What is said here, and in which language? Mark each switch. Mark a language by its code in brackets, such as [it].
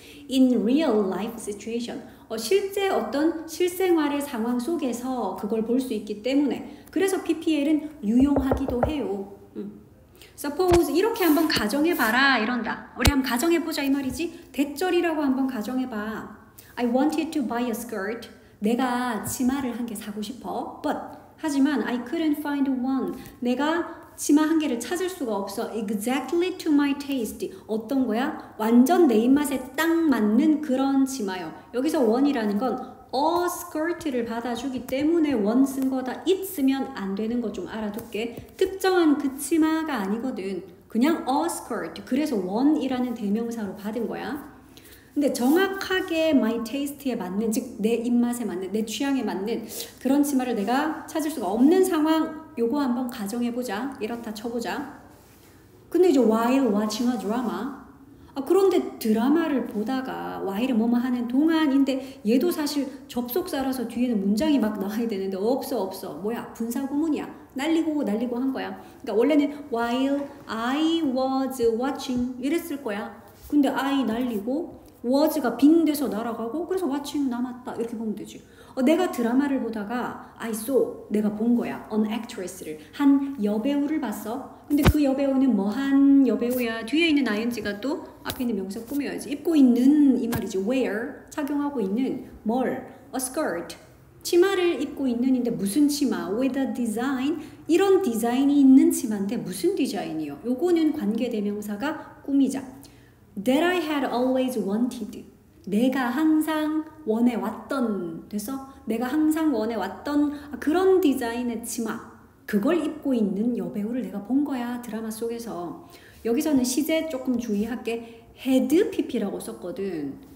[en] In real life situation, [ko] 실제 어떤 실생활의 상황 속에서 그걸 볼 수 있기 때문에 그래서 PPL은 유용하기도 해요. [en] Suppose [ko] 이렇게 한번 가정해봐라 이런다. 우리 한번 가정해보자 이 말이지. 대절이라고 한번 가정해봐. [en] I wanted to buy a skirt. [ko] 내가 치마를 한 개 사고 싶어. [en] But [ko] 하지만 [en] I couldn't find one. [ko] 내가 치마 한 개를 찾을 수가 없어. [en] Exactly to my taste. [ko] 어떤 거야? 완전 내 입맛에 딱 맞는 그런 치마요. 여기서 one이라는 건 [en] a skirt [ko] 를 받아주기 때문에 one 쓴 거다. it 쓰면 안 되는 거 좀 알아둘게. 특정한 그 치마가 아니거든. 그냥 a skirt. 그래서 one이라는 대명사로 받은 거야. 근데 정확하게 [en] my taste [ko] 에 맞는, 즉 내 입맛에 맞는, 내 취향에 맞는 그런 치마를 내가 찾을 수가 없는 상황 요거 한번 가정해보자. 이렇다 쳐보자. 근데 이제 [en] while watching a drama. [ko] 아, 그런데 드라마를 보다가 while 뭐뭐 하는 동안인데 얘도 사실 접속사라서 뒤에는 문장이 막 나와야 되는데 없어 없어. 뭐야 분사구문이야. 날리고 날리고 한 거야. 그러니까 원래는 [en] while I was watching [ko] 이랬을 거야. 근데 I 날리고 was가 빈 돼서 날아가고 그래서 watching 남았다 이렇게 보면 되지. 내가 드라마를 보다가 [en] I saw, [ko] 내가 본 거야. [en] An actress [ko] 를, 한 여배우를 봤어. 근데 그 여배우는 뭐한 여배우야? 뒤에 있는 ing가 또 앞에 있는 명사 꾸며야지. 입고 있는 이 말이지. Where, 착용하고 있는 뭘? [en] A skirt, [ko] 치마를 입고 있는인데 무슨 치마? [en] With a design, [ko] 이런 디자인이 있는 치마인데 무슨 디자인이요? 요거는 관계대명사가 꾸미자. [en] That I had always wanted. [ko] 내가 항상 원해왔던, 됐어? 내가 항상 원해왔던 그런 디자인의 치마. 그걸 입고 있는 여배우를 내가 본 거야, 드라마 속에서. 여기서는 시제 조금 주의할게. had PP라고 썼거든.